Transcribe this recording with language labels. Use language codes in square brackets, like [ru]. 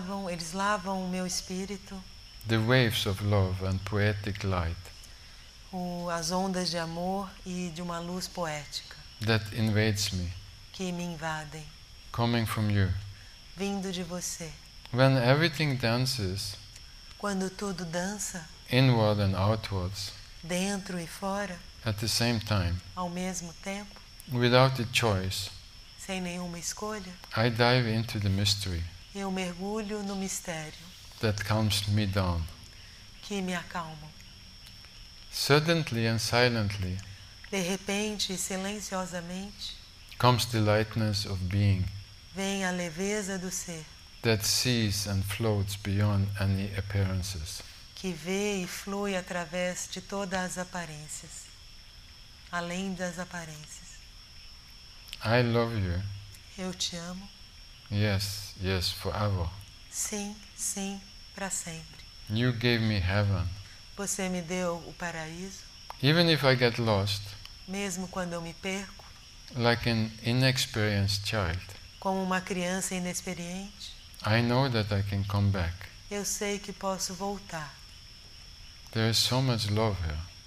[pt] Eles lavam o meu espírito. [en] The waves of love and poetic light. [pt] As ondas de amor e de uma luz poética. [en] That invades me. [pt] Que me invadem. [en] Coming from you. [pt] Vindo de você. [en] When everything dances. [pt] Quando tudo dança. [en] Inward and outwards. [pt] Dentro e fora. [en] At the same time. [pt] Ao mesmo tempo. [en] Without a choice. [pt] Sem nenhuma escolha. [en] I dive into the mystery. [pt] Eu mergulho no mistério. [en] That calms me down. [pt] Que me acalma. [en] Suddenly and silently. [pt] De repente e silenciosamente. [en] Comes the lightness of being. [pt] Vem a leveza do ser. [en] That sees and floats beyond any appearances. [pt] Que vê e flui através de todas as aparências. Além das aparências. [en] I love you. [pt] Eu te amo. [en] Yes, yes, forever. [pt] Sim, sim, para sempre. [en] You gave me heaven. [pt] Você me deu o paraíso. [en] Even if I get lost. [pt] Mesmo quando eu me perco. [en] Like an inexperienced child. [pt] Como uma criança inexperiente. [en] I know that I can come back. [pt] Eu sei que posso voltar. [en] There is so much love here.